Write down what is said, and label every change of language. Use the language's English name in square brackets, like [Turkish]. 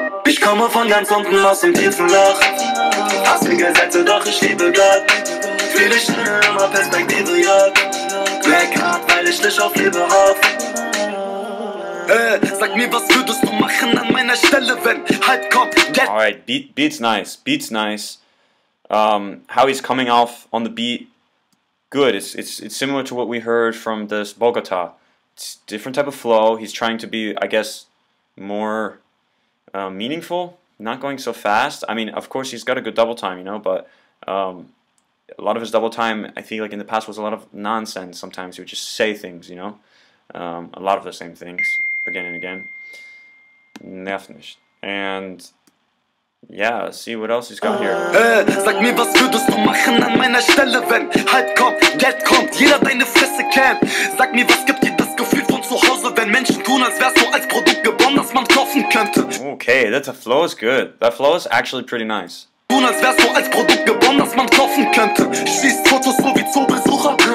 [German] Ich komme von ganz unten aus dem tiefen Loch. Hasse Gesetze, doch ich liebe Gott. Viele Scheine, immer Perspektive, ja. Weg hart, weil ich dich auf Liebe hoff. Sag mir, was würdest du machen an meiner Stelle, wenn halb kommt, [English] yeah. Alright, beat's nice. How he's coming off on the beat, good. It's similar to what we heard from this Bogota. It's different type of flow. He's trying to be, I guess, more meaningful. Not going so fast. I mean, of course, he's got a good double time, you know, but a lot of his double time, I feel like in the past, was a lot of nonsense sometimes. He would just say things, you know, a lot of the same things. Again and again. Nervnicht. And yeah, let's see what else he's got here. [German] Sag mir, was würdest du machen an meiner Stelle, wenn halt kommt, Geld kommt, jeder deine Fresse kennt. Sag mir, was gibt dir das Gefühl von zu Hause, wenn Menschen tun, als wärst du als Produkt geboren, das man kaufen könnte. [English] Okay, that's a flow is good. That flow is actually pretty nice. [German] Tun, als wärst du als Produkt geboren, das man kaufen könnte. Schießt Fotos so wie zu Besucher.